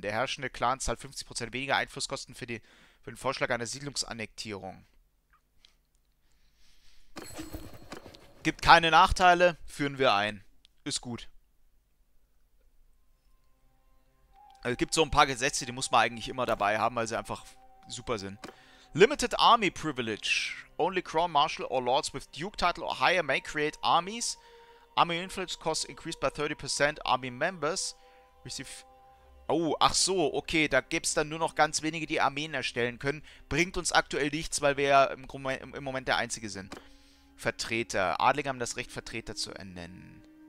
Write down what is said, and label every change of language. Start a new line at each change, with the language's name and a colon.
German: Der herrschende Clan zahlt 50% weniger Einflusskosten für den Vorschlag einer Siedlungsannektierung. Gibt keine Nachteile, führen wir ein. Ist gut. Es gibt so ein paar Gesetze, die muss man eigentlich immer dabei haben, weil sie einfach super sind.
English: Limited Army Privilege. Only Crown Marshal or Lords with Duke Title or higher may create armies. Army Influence Costs increased by 30%. Army Members receive...
German: Oh, ach so, okay, da gibt es dann nur noch ganz wenige, die Armeen erstellen können. Bringt uns aktuell nichts, weil wir ja im Moment der Einzige sind. Vertreter. Adlige haben das Recht, Vertreter zu ernennen.